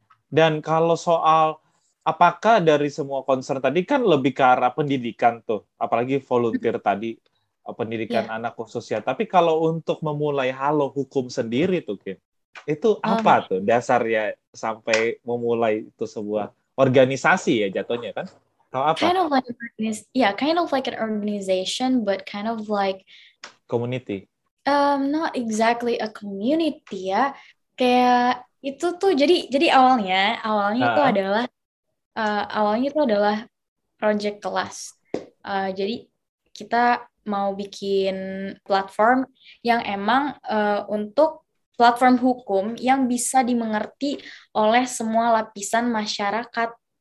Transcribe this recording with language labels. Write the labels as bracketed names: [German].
[Indonesian] Dan kalau soal apakah dari semua concern tadi kan lebih ke arah pendidikan tuh, apalagi volunteer tadi, pendidikan anak khususnya. Tapi kalau untuk memulai halo hukum sendiri tuh, Kim, itu apa tuh dasarnya sampai memulai itu sebuah organisasi ya jatuhnya kan? Atau apa? [English] Kind of like an organization, but kind of like community. Not exactly a community [Indonesian] ya. Kayak itu tuh jadi awalnya itu adalah project kelas. Jadi kita mau bikin platform yang emang untuk platform hukum yang bisa dimengerti oleh semua lapisan masyarakat.